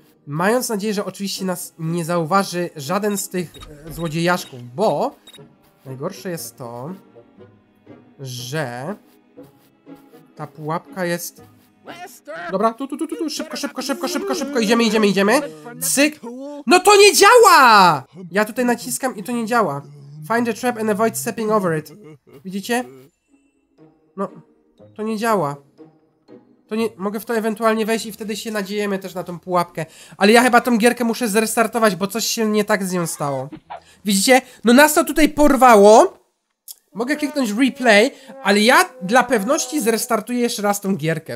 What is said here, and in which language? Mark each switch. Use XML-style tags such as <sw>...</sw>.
<pl>Mając nadzieję, że oczywiście nas nie zauważy żaden z tych złodziejaszków, bo najgorsze jest to, że ta pułapka jest... Dobra, tu, szybko, idziemy. Cyk! No to nie działa! Ja tutaj naciskam i to nie działa.</pl> <en>Find a trap and avoid stepping over it.</en> <pl>Widzicie? No, to nie działa. To nie, mogę w to ewentualnie wejść i wtedy się nadziejemy też na tą pułapkę. Ale ja chyba tą gierkę muszę zrestartować, bo coś się nie tak z nią stało. Widzicie? No nas to tutaj porwało. Mogę kliknąć replay, ale ja dla pewności zrestartuję jeszcze raz tą gierkę.</pl>